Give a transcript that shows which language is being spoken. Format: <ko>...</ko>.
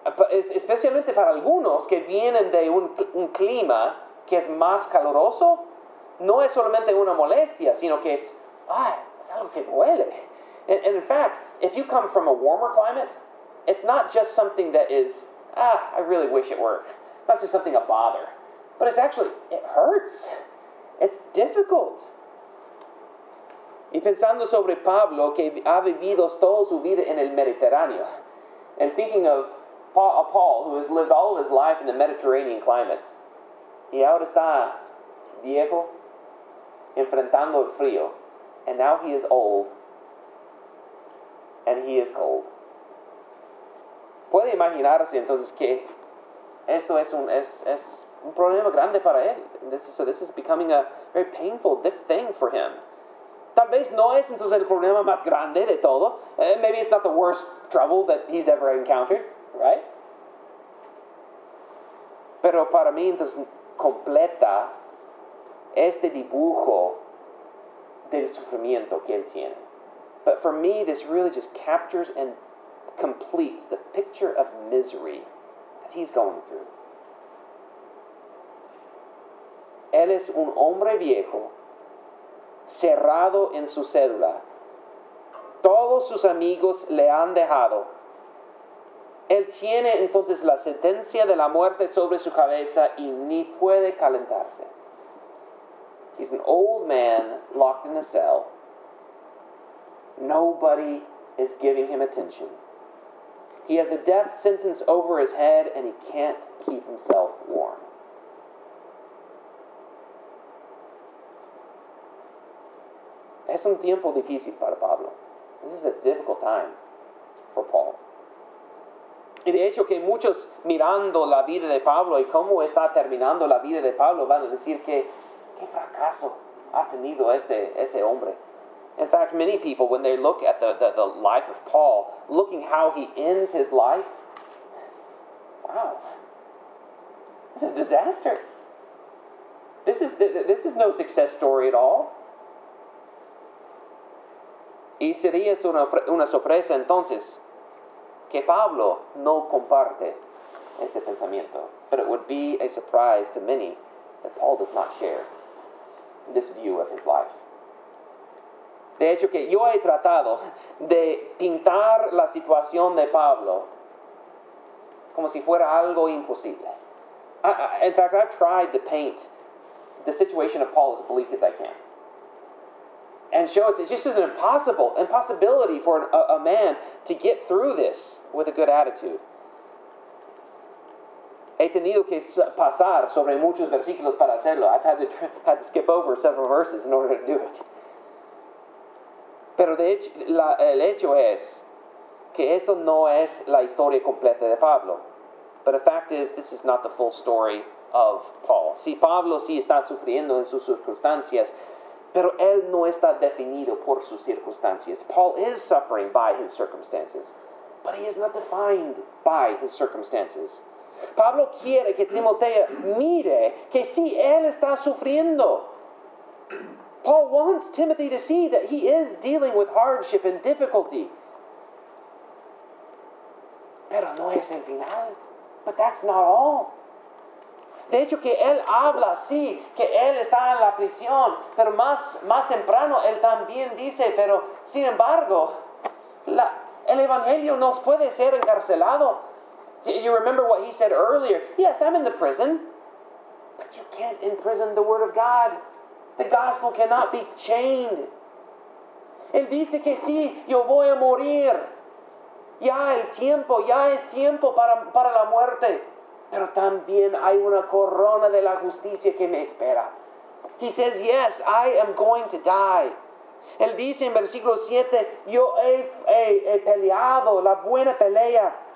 <es>Especialmente para algunos que vienen de un clima que es más caluroso, no es solamente una molestia, sino que es algo que duele.</es> <en>And in fact, if you come from a warmer climate, it's not just something that is, I really wish it were. That's just something a bother. But it's actually, it hurts. It's difficult.</en> <es>Y pensando sobre Pablo, que ha vivido toda su vida en el Mediterráneo,</es> <en>and thinking of Paul, who has lived all of his life in the Mediterranean climates,</en> <es>y ahora está viejo, enfrentando el frío,</es> <en>and now he is old, and he is cold.</en> <es>Puede imaginarse entonces que esto es un problema grande para él.</es> <en>This is becoming a very painful thing for him.</en> <es>Tal vez no es entonces el problema más grande de todo.</es> <en>Maybe it's not the worst trouble that he's ever encountered, right?</en> <es>Pero para mí entonces completa este dibujo del sufrimiento que él tiene.</es> <en>But for me, this really just captures and completes the picture of misery that he's going through.</en> <es>Él es un hombre viejo, cerrado en su célula. Todos sus amigos le han dejado. Él tiene entonces la sentencia de la muerte sobre su cabeza y ni puede calentarse.</es> <en>He's an old man locked in a cell. Nobody is giving him attention. He has a death sentence over his head and he can't keep himself warm.</en> <es>Es un tiempo difícil para Pablo.</es> <en>This is a difficult time for Paul.</en> <es>Y de hecho que muchos mirando la vida de Pablo y cómo está terminando la vida de Pablo van a decir que qué fracaso ha tenido este hombre.</es> <en>In fact, many people, when they look at the life of Paul, looking how he ends his life, wow, this is disaster. This is no success story at all.</en> <es>Y sería una sorpresa entonces que Pablo no comparte este pensamiento.</es> <en>But it would be a surprise to many that Paul does not share this view of his life.</en> <es>De hecho que yo he tratado de pintar la situación de Pablo como si fuera algo imposible.</es> <en>In fact, I've tried to paint the situation of Paul as bleak as I can. And show us it's just an impossibility for a man to get through this with a good attitude.</en> <es>He tenido que pasar sobre muchos versículos para hacerlo.</es> <en>I've had to skip over several verses in order to do it.</en> <es>Pero de hecho, el hecho es que eso no es la historia completa de Pablo.</es> <en>But the fact is, this is not the full story of Paul.</en> <es>Sí, Pablo sí está sufriendo en sus circunstancias, pero él no está definido por sus circunstancias.</es> <en>Paul is suffering by his circumstances, but he is not defined by his circumstances.</en> <es>Pablo quiere que Timoteo mire que sí, él está sufriendo.</es> <en>Paul wants Timothy to see that he is dealing with hardship and difficulty.</en> <es>Pero no es el final.</es> <en>But that's not all.</en> <es>De hecho, que él habla, sí, que él está en la prisión, pero más temprano él también dice, pero sin embargo, el Evangelio no puede ser encarcelado.</es> <en>You remember what he said earlier? Yes, I'm in the prison. But you can't imprison the Word of God. The gospel cannot be chained.</en> <es>Él dice que sí, yo voy a morir. Ya el tiempo, ya es tiempo para la muerte. Pero también hay una corona de la justicia que me espera.</es> <en>He says, yes, I am going to die.</en> <es>Él dice en versículo 7, yo he peleado la buena pelea.</es>